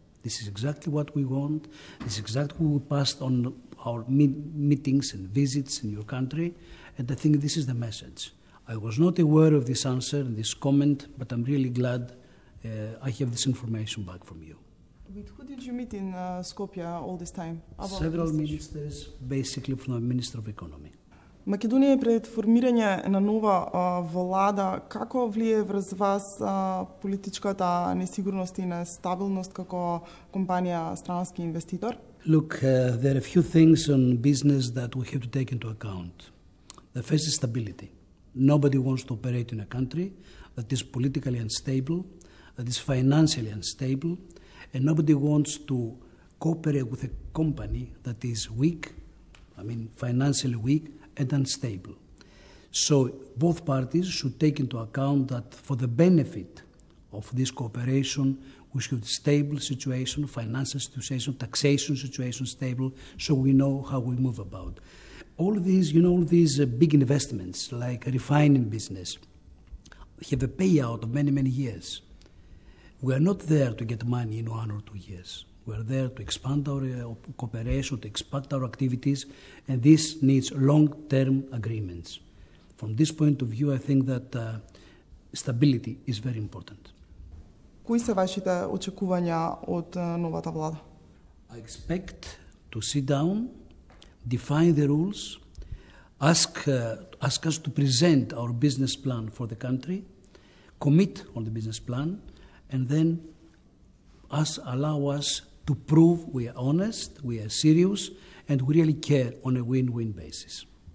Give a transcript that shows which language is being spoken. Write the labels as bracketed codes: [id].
[en] This is exactly what we want. This is exactly what we passed on our meetings and visits in your country. And I think this is the message. I was not aware of this answer and this comment, but I'm really glad I have this information back from you. With who did you meet in Skopje all this time? Several ministers, basically from the Minister of Economy. [mk] Македонија е пред формирање на нова влада. Како влие врз вас политичката несигурност и нестабилност како компанија странски инвеститор? [en] Look, there are a few things on business that we have to take into account. The first is stability. Nobody wants to operate in a country that is politically unstable, that is financially unstable, and nobody wants to cooperate with a company that is weak, I mean financially weak and unstable. So both parties should take into account that for the benefit of this cooperation, we should have a stable situation, financial situation, taxation situation stable, so we know how we move about. All these, you know, all these big investments, like a refining business, have a payout of many, many years. We are not there to get money in 1 or 2 years. We are there to expand our cooperation, to expand our activities, and this needs long-term agreements. From this point of view, I think that stability is very important. [mk] Кои се вашите очекувања од новата влада? [en] I expect to sit down, define the rules, ask us to present our business plan for the country, commit on the business plan, and then allow us to prove we are honest, we are serious, and we really care on a win-win basis.